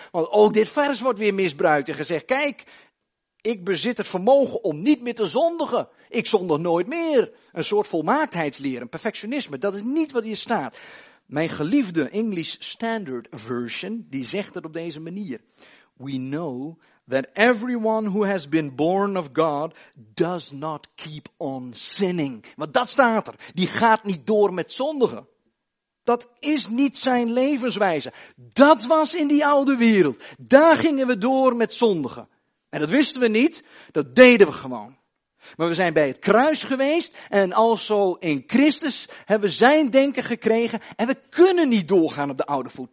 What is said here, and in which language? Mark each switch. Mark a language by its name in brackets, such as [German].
[Dutch] Want ook dit vers wordt weer misbruikt en gezegd, kijk, ik bezit het vermogen om niet meer te zondigen. Ik zondig nooit meer. Een soort volmaaktheidsleer, een perfectionisme. Dat is niet wat hier staat. Mijn geliefde English Standard Version, die zegt het op deze manier. [English] We know that everyone who has been born of God does not keep on sinning. [Dutch] Want dat staat er. Die gaat niet door met zondigen. Dat is niet zijn levenswijze. Dat was in die oude wereld. Daar gingen we door met zondigen. En dat wisten we niet. Dat deden we gewoon. Maar we zijn bij het kruis geweest en alzo in Christus hebben we zijn denken gekregen en we kunnen niet doorgaan op de oude voet.